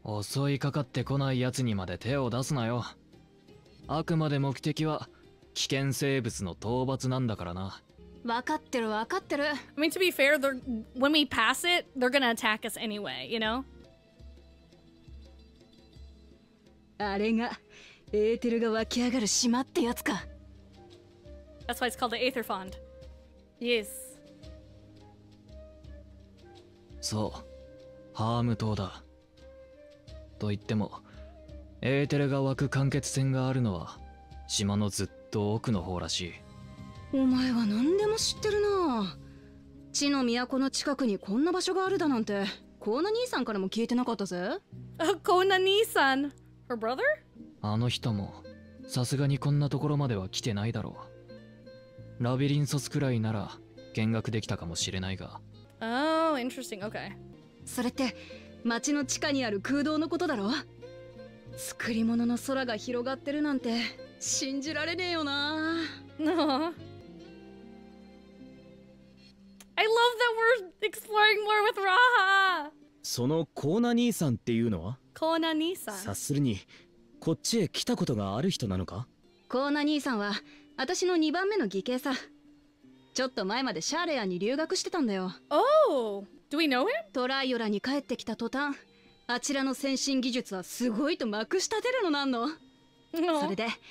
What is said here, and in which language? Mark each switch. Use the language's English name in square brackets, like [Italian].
[Japanese] 襲いかかってこないやつにまで手を出すなよ。あくまで目的は危険生物の討伐なんだからな。分かってる分かってる。 [English] I mean, to be fair, when we pass it, they're gonna attack us anyway, you know? [Japanese] あれが、エーテルが湧き上がる島ってやつか。 [English] That's why it's called the Aether Fond. Yes. [Japanese] そう、ハーム島だ。と言っても、エーテルが湧く間欠泉があるのは、島のずっと奥の方らしい。お前は何でも知ってるな。地の都の近くにこんな場所があるだなんて、コーナ兄さんからも聞いてなかったぜ。 [English] コーナ兄さん、her brother? [Japanese] あの人もさすがにこんなところまでは来てないだろう。ラビリンソスくらいなら見学できたかもしれないが。 [English] Oh, interesting. Okay. [Japanese] それって町の地下にある空洞のことだろう。作り物の空が広がってるなんて。信じられねえよな。 [English] I love that we're exploring more with Raha! [Japanese] そのコーナ兄さんっていうのは？コーナ兄さん。察するに、こっちへ来たことがある人なのか？コーナ兄さんは、私の2番目の義兄さ。ちょっと前までシャーレアに留学してたんだよ。 [English] Oh! Do we know him? [Japanese] トライオラに帰ってきた途端、あちらの先進技術はすごいとまくしたてるのなんの。それで、